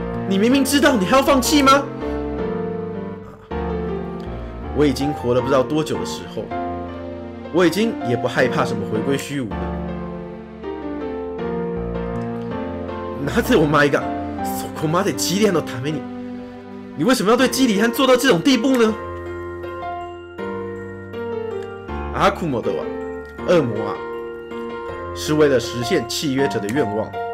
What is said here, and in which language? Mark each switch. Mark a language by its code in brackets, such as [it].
[zh] 你明明知道，你还要放弃吗？我已经活了不知道多久的时候，我已经也不害怕什么回归虚无了。 [ja] なぜお前がそこまでジリアンのために？ [zh] 你为什么要对基里安做到这种地步呢？阿库摩德啊，恶魔啊。是为了实现契约者的愿望。